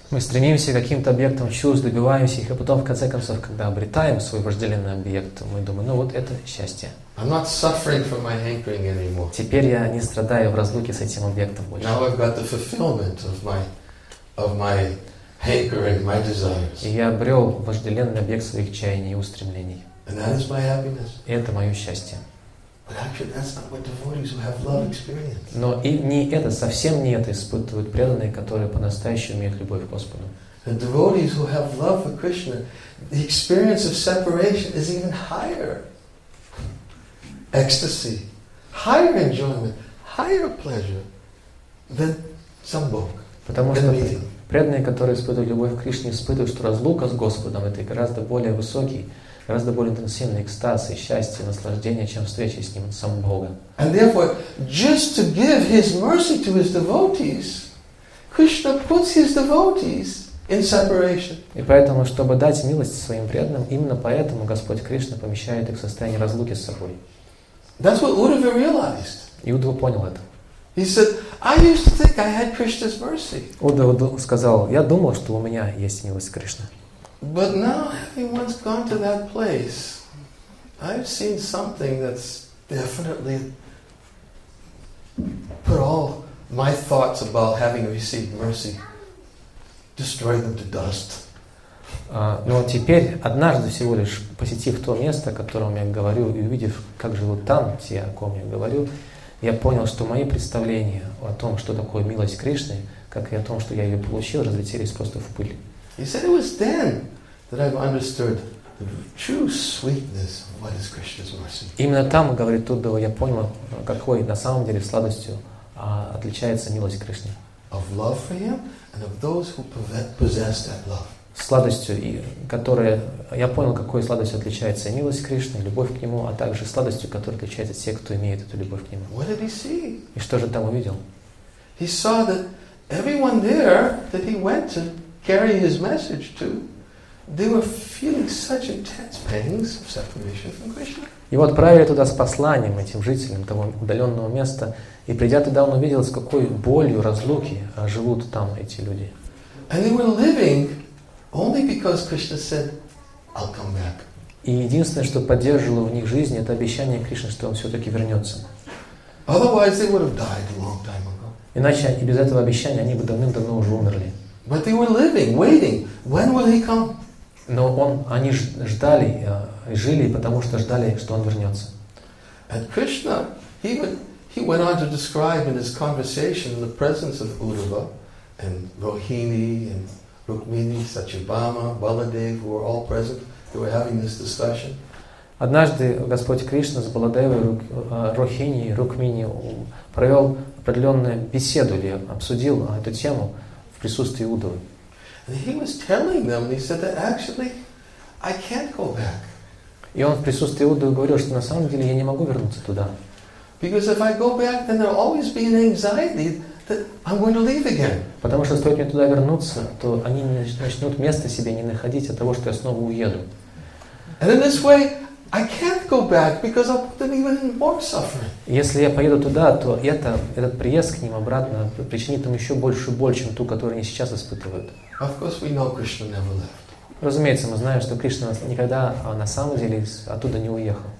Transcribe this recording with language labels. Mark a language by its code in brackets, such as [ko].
[ru] Мы стремимся к каким-то объектам чувств, добиваемся их, а потом, в конце концов, когда обретаем свой вожделенный объект, мы думаем, ну вот это счастье. [en] I'm not suffering from my hankering anymore. [ru] Теперь я не страдаю в разлуке с этим объектом больше. [en] Now I've got the fulfillment of my hankering, my desires. [ru] И я обрел вожделенный объект своих чаяний и устремлений. [en] And that is my happiness. [ru] И это мое счастье. [en] But actually, that's not what devotees who have love experience. [ru] Но и не это, совсем не это испытывают преданные, которые по-настоящему имеют любовь к Господу. [en] The devotees who have love for Krishna, the experience of separation is even higher. Ecstasy, higher enjoyment, higher pleasure than sambhog. [ru] Потому что преданные, которые испытывают любовь к Кришне, испытывают, что разлука с Господом это гораздо более высокий. Гораздо более интенсивный экстаз и счастье, наслаждение, чем встреча с Ним, самим Богом. [en] And therefore, just to give His mercy to His devotees, Krishna puts His devotees in separation. [ru] И поэтому, чтобы дать милость своим преданным, именно поэтому Господь Кришна помещает их в состояние разлуки с собой. [en] That's what Uddhava realized. [ru] И Удва понял это. [en] He said, I used to think I had Krishna's mercy. [ru] Удва сказал, я думал, что у меня есть милость Кришны. [en] But now, having once gone to that place, I've seen something that's definitely put all my thoughts about having received mercy, destroyed them to dust. [ru] Но теперь, однажды всего лишь посетив то место, о котором я говорю, и увидев, как живут там те, о ком я говорю, я понял, что мои представления о том, что такое милость Кришны, как и о том, что я ее получил, разлетелись просто в пыль. [en] He said it was then that I've understood the true sweetness of what is Krishna's mercy. [ru] Именно там, говорит Уддава, я понял, какой на самом деле сладостью отличается милость Кришны. [en] Of love for him and of those who possess that love. [ru] Сладостью, и которая, я понял, какой сладостью отличается милость Кришны, любовь к Нему, а также сладостью, которая отличается те, кто имеет эту любовь к Нему. [en] What did he see? [ru] И что же там увидел? [en] He saw that everyone there that he went to carry his message to, they were feeling such intense pains of separation from Krishna. [ru] Его отправили туда с посланием этим жителям того удаленного места, и придя туда, он увидел, с какой болью разлуки живут там эти люди. [en] And they were living only because Krishna said, "I'll come back." [ru] И единственное, что поддерживало в них жизнь, это обещание Кришны, что он все-таки вернется. [en] Otherwise, they would have died a long time ago. [ru] Иначе и без этого обещания они бы давным-давно уже умерли. [en] But they were living, waiting. When will he come? [ru] Но они ждали и жили, потому что ждали, что он вернется. [en] And Krishna, he went on to describe in his conversation in the presence of Uddhava and Rohini and Rukmini, Sachibama, Baladev, who were all present, they were having this discussion. [ru] Однажды Господь Кришна с Баладевой, Рохини, Рукмини провел определенную беседу или обсудил эту тему в присутствии Уддавы. [en] And he was telling them, he said that actually I can't go back. [ru] И он в присутствии Уддавы говорил, что на самом деле я не могу вернуться туда. [en] Because if I go back, then there'll always be an anxiety that I'm going to leave again. [ru] Потому что стоит мне туда вернуться, то они начнут места себе не находить от того, что я снова уеду. [en] And in this way, I can't go back because I'll put them even in more suffering. [ru] Если я поеду туда, то этот приезд к ним обратно причинит им еще большую боль, чем ту, которую они сейчас испытывают. [en] Of course, we know Krishna never left. [ru] Разумеется, мы знаем, что Кришна никогда на самом деле оттуда не уехал.